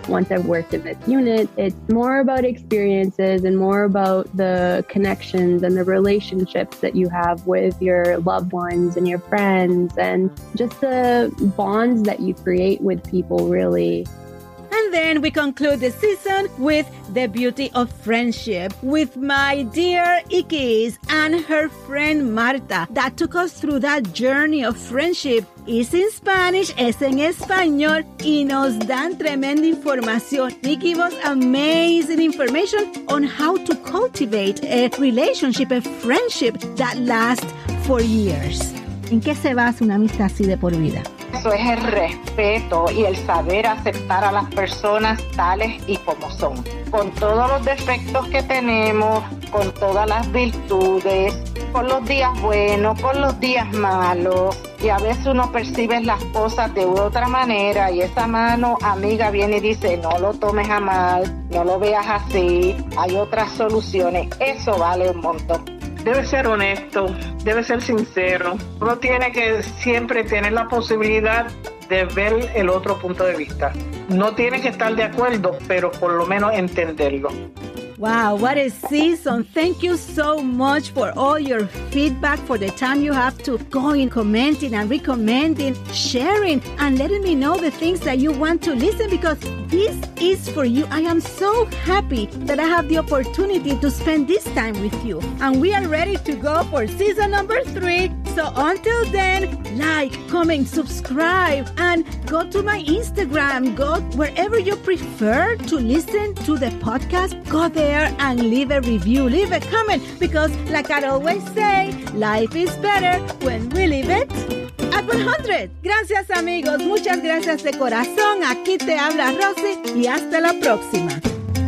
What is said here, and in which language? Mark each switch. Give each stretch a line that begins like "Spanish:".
English: Once I've worked in this unit, it's more about experiences and more about the connections and the relationships that you have with your loved ones and your friends and just the bonds that you create with people, really. And then we conclude the season with the beauty of friendship with my dear Ikis and her friend Marta that took us through that journey of friendship. Is in Spanish,
Spanish: es en español, y nos dan tremenda información.
English: They give us amazing information on how to cultivate a relationship, a friendship that lasts for years.
Spanish: ¿En qué se basa una amistad así de por vida? Eso es el respeto y el saber aceptar a las personas tales y como son. Con todos los defectos que tenemos, con todas las virtudes, con los días buenos, con los días malos. Y a veces uno percibe las cosas de otra manera y esa mano amiga viene y dice, no lo tomes a mal, no lo veas así, hay otras soluciones. Eso vale un montón. Debe ser honesto, debe ser sincero. Uno tiene que siempre tener la posibilidad de ver el otro punto de vista. No tiene que estar de acuerdo, pero por lo menos entenderlo.
English: Wow, what a season. Thank you so much for all your feedback, for the time you have to go in commenting and recommending, sharing, and letting me know the things that you want to listen, because this is for you. I am so happy that I have the opportunity to spend this time with you. And we are ready to go for season number 3. So until then, like, comment, subscribe, and go to my Instagram. Go wherever you prefer to listen to the podcast. Go there and leave a review, leave a comment, because like I always say, life is better when we leave it at 100.
Spanish: Gracias, amigos. Muchas gracias de corazón. Aquí te habla Rosy y hasta la próxima.